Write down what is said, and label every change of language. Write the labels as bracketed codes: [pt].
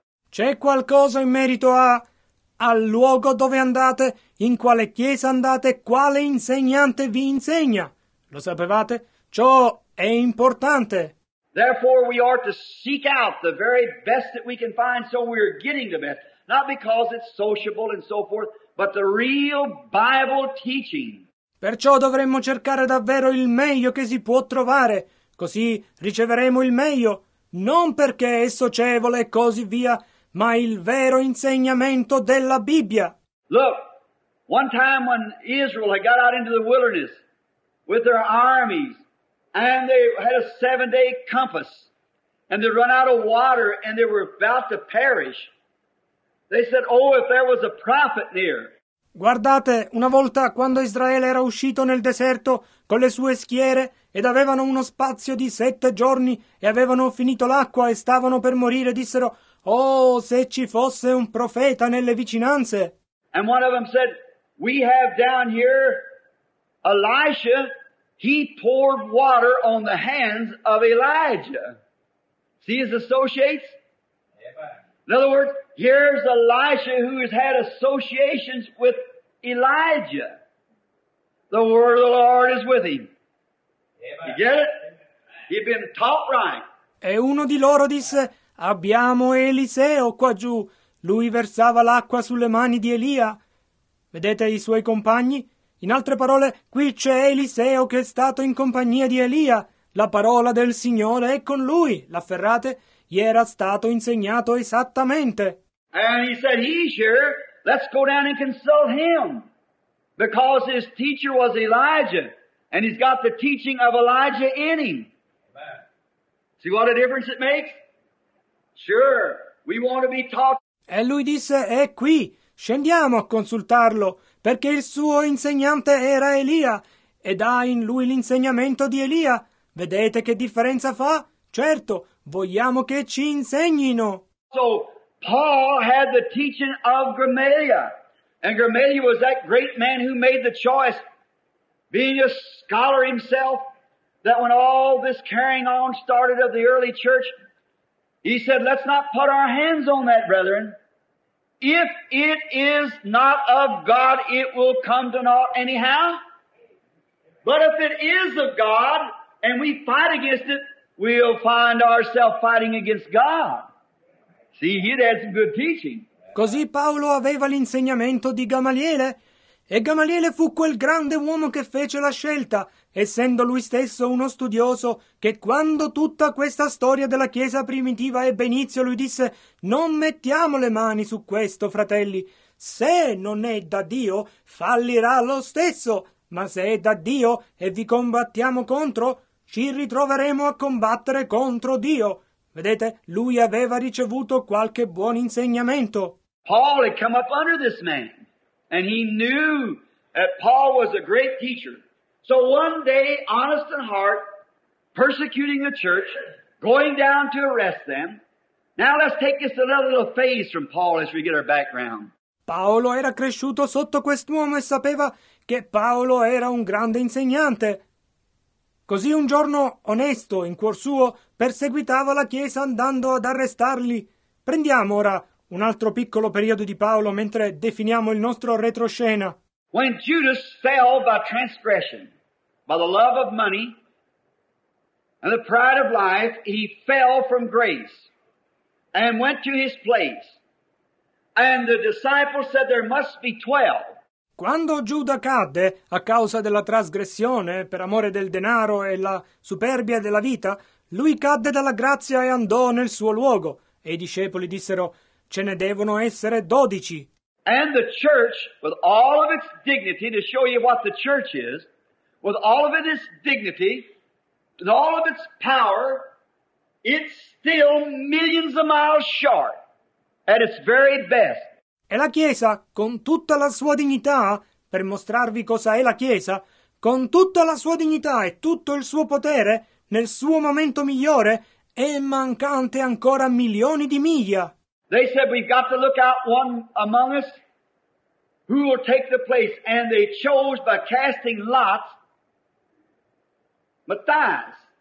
[it] C'è qualcosa in merito al luogo dove andate, in quale chiesa andate, quale insegnante vi insegna. Lo sapevate? Ciò è importante. [en] Therefore we are to seek out the very best that we can find, so we are getting the best. Not because it's sociable and so forth, but the real Bible teaching. [it] Perciò dovremmo cercare davvero il meglio che si può trovare, così riceveremo il meglio. Non perché è socievole e così via, ma il vero insegnamento della Bibbia. [en] Look, one time when Israel had got out into the wilderness with their armies, and they had a 7-day compass, and they run out of water, and they were about to perish. They said, oh, if there was a prophet near. [it] Guardate, una volta quando Israele era uscito nel deserto con le sue schiere ed avevano uno spazio di 7 giorni e avevano finito l'acqua e stavano per morire, dissero, oh, se ci fosse un profeta nelle vicinanze. [en] And one of them said, we have down here Elisha. He poured water on the hands of Elijah. See his associates? In other words, here's Elisha who has had associations with Elijah. The word of the Lord is with him. You get it? He'd been taught right. [it] E uno di loro disse, abbiamo Eliseo qua giù. Lui versava l'acqua sulle mani di Elia. Vedete i suoi compagni? In altre parole, qui c'è Eliseo che è stato in compagnia di Elia. La parola del Signore è con lui. L'afferrate? Gli era stato insegnato esattamente. [en] And he said, he's here. Let's go down and consult him. Because his teacher was Elijah. And he's got the teaching of Elijah in him. See what a difference it makes? Sure, we want to be taught. [it] E lui disse, è qui. Scendiamo a consultarlo. Perché il suo insegnante era Elia, ed ha in lui l'insegnamento di Elia. Vedete che differenza fa? Certo, vogliamo che ci insegnino. [en] So, Paul had the teaching of Gamaliel. And Gamaliel was that great man who made the choice, being a scholar himself, that when all this carrying on started of the early church, he said, let's not put our hands on that, brethren. If it is not of God, it will come to naught anyhow. But if it is of God, and we fight against it, we'll find ourselves fighting against God. See, he had some good teaching. [it] Così Paolo aveva l'insegnamento di Gamaliele, e Gamaliele fu quel grande uomo che fece la scelta, essendo lui stesso uno studioso, che quando tutta questa storia della Chiesa primitiva ebbe inizio, lui disse, non mettiamo le mani su questo, fratelli. Se non è da Dio, fallirà lo stesso. Ma se è da Dio e vi combattiamo contro, ci ritroveremo a combattere contro Dio. Vedete, lui aveva ricevuto qualche buon insegnamento. [en] Paul had come up under this man, and he knew that Paul was a great teacher. So one day, honest in heart, persecuting the church, going down to arrest them. Now let's take just a little phase from Paul as we get our background. [it] Paolo era cresciuto sotto quest'uomo e sapeva che Paolo era un grande insegnante. Così un giorno, onesto, in cuor suo, perseguitava la chiesa andando ad arrestarli. Prendiamo ora un altro piccolo periodo di Paolo mentre definiamo il nostro retroscena. [en] When Judas fell by transgression, by the love of money, and the pride of life, he fell from grace and went to his place. And the disciples said there must be 12. [it] Quando Giuda cadde a causa della trasgressione, per amore del denaro e la superbia della vita, lui cadde dalla grazia e andò nel suo luogo. E i discepoli dissero, ce ne devono essere 12. [en] And the church, with all of its dignity, to show you what the church is, with all of its dignity, with all of its power, it's still millions of miles short at its very best. [it] E la Chiesa, con tutta la sua dignità, per mostrarvi cosa è la Chiesa, con tutta la sua dignità e tutto il suo potere, nel suo momento migliore, è mancante ancora milioni di miglia. [en] They said we've got to look out one among us who will take the place, and they chose by casting lots Matthias.